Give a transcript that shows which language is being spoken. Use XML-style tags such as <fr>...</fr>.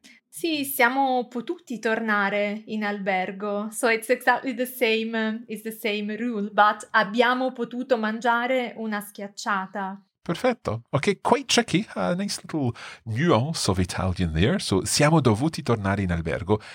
<it>Sì, siamo potuti tornare in albergo.</it> <en>So it's exactly the same rule, but</en> <it>abbiamo potuto mangiare una schiacciata. Perfetto.</it> <en>Okay, quite tricky. A nice little nuance of Italian there. So</en> <it>siamo dovuti tornare in albergo.</it>